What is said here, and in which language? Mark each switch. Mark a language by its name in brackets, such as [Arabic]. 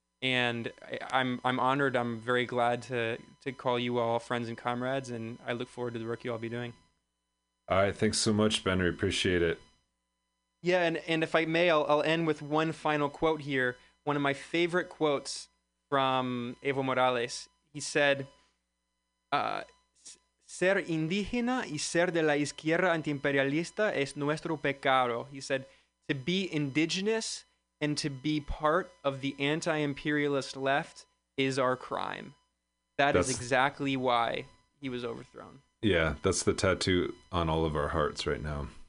[English] And I'm honored. I'm very glad to call you all friends and comrades, and I look forward to the work you all be doing. All right. Thanks so much, Ben. We appreciate it. Yeah. And if I may, I'll end with one final quote here. One of my favorite quotes from Evo Morales. He said, [Spanish] ser indígena y ser de la izquierda antiimperialista es nuestro pecado. [English] He said, to be indigenous and to be part of the anti-imperialist left is our crime. That's exactly why he was overthrown. Yeah, that's the tattoo on all of our hearts right now.